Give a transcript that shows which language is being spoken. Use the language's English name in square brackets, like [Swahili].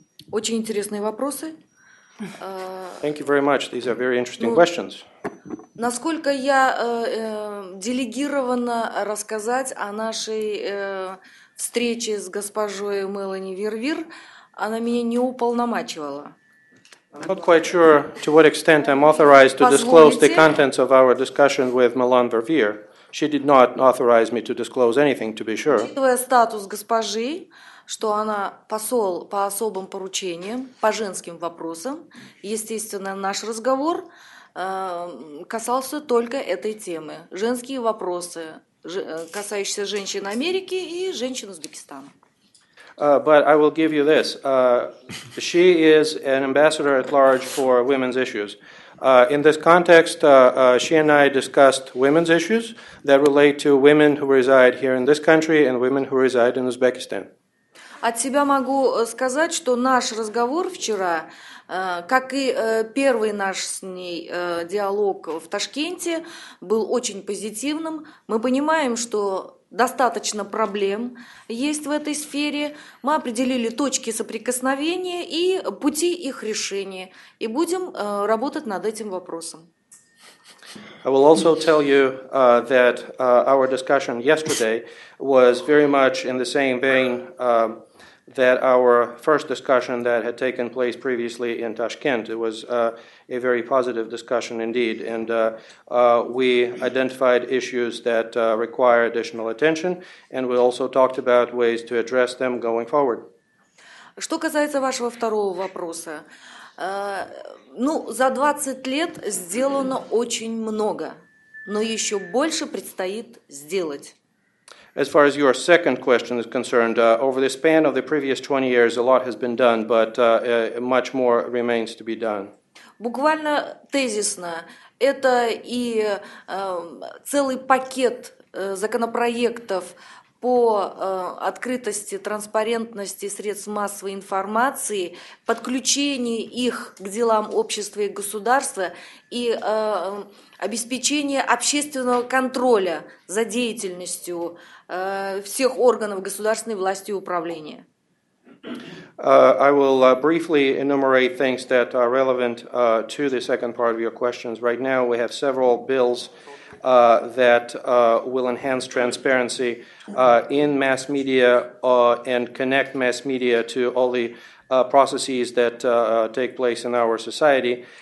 [Russian] Очень интересные вопросы. [English] Thank you very much. These are very interesting questions. [Russian] Насколько я делегирована рассказать о нашей встрече с госпожой Мелани Вервир, она меня не уполномачивала. [English] I'm not quite sure to what extent I'm authorized to disclose the contents of our discussion with Мелани Вервир. She did not authorize me to disclose anything, to be sure. [Russian] Учитывая статус госпожи, что она посол по особым поручениям, по женским вопросам. Естественно, наш разговор касался только этой темы. Женские вопросы, касающиеся женщин Америки и женщин Узбекистана. [English] But I will give you this. She is an ambassador at large for women's issues. In this context, she and I discussed women's issues that relate to women who reside here in this country and women who reside in Uzbekistan. [Russian] От себя могу сказать, что наш разговор вчера, как и первый наш с ней диалог в Ташкенте, был очень позитивным. Мы понимаем, что достаточно проблем есть в этой сфере. Мы определили точки соприкосновения и пути их решения. И будем работать над этим вопросом. [English] I will also tell you that our discussion yesterday was very much in the same vein that our first discussion that had taken place previously in Tashkent. It was a very positive discussion indeed, and we identified issues that require additional attention, and we also talked about ways to address them going forward. [Russian] Что касается вашего второго вопроса, за 20 лет сделано очень много, но еще больше предстоит сделать. [English] As far as your second question is concerned, over the span of the previous 20 years, a lot has been done, but much more remains to be done. [Russian] Буквально тезисно, это и целый пакет законопроектов по открытости, транспарентности средств массовой информации, подключении их к делам общества и государства и обеспечение общественного контроля за деятельностью всех органов государственной власти и управления. [English] I will briefly enumerate things that are relevant to the second part of your questions. Right now we have several bills that will enhance transparency in mass media and connect mass media to all the processes that take place in our society.